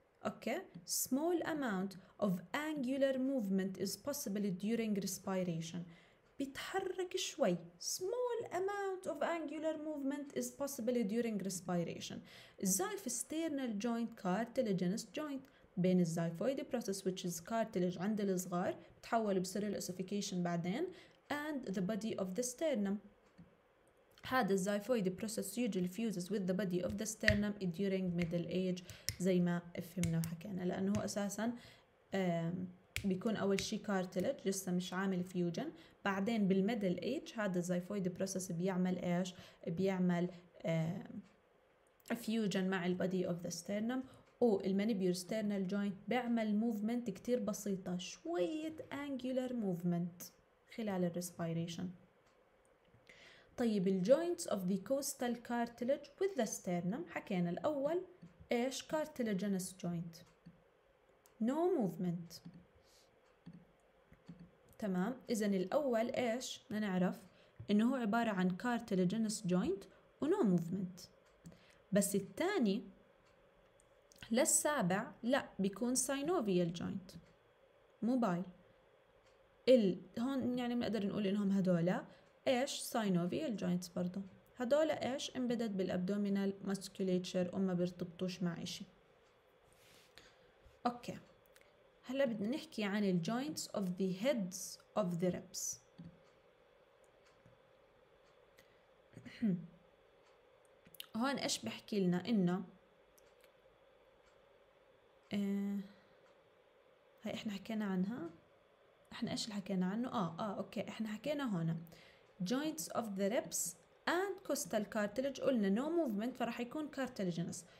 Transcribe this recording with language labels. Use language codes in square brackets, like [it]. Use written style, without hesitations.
[en] Okay, small amount of angular movement is possible during respiration. [ar] بيتحرك شوي. [en] Small amount of angular movement is possible during respiration. Zyphe sternal joint, cartilaginous joint, [ar] بين الزايفويد بروسس [en] which is cartilage [ar] عند الصغار بتحول بصير الأسوفيكيشن بعدين [en] and the body of the sternum. [ar] هذا الزايفويد بروسس [en] usually fuses with the body of the sternum during middle age [ar] زي ما فهمنا وحكينا، لأنه أساسا بيكون أول شيء cartilage لسه مش عامل fusion، بعدين بالmiddle age هذا الزايفويد بروسس بيعمل إيش؟ بيعمل fusion مع [en] the body of the sternum. [ar] أو المانيبيور سترنال جوينت بيعمل موفمنت كتير بسيطة، شوية أنجولر موفمنت خلال الريسبيريشن. طيب الجوينتس [en] of the costal cartilage with the sternum، [ar] حكينا الأول إيش؟ [en] cartilaginous joint no movement. [ar] تمام، إذن الأول إيش نعرف؟ إنه هو عبارة عن cartilaginous joint ونو موفمنت. بس الثاني للسابع لا، بيكون [en] synovial joint mobile. [ar] هون يعني بنقدر نقول انهم هدول ايش؟ synovial joints برضو. هدول ايش؟ embedded بالabdominal musculature وما بيرتبطوش مع اشي. اوكي، هلا بدنا نحكي عن [en] joints of the heads of the ribs. [ar] هون ايش بحكي لنا؟ انه هاي احنا حكينا عنها، احنا ايش اللي حكينا عنه؟ اوكي، احنا حكينا هنا [en] joints of the ribs and costal cartilage [ar] قلنا [en] no movement [ar] فراح يكون cartilaginous.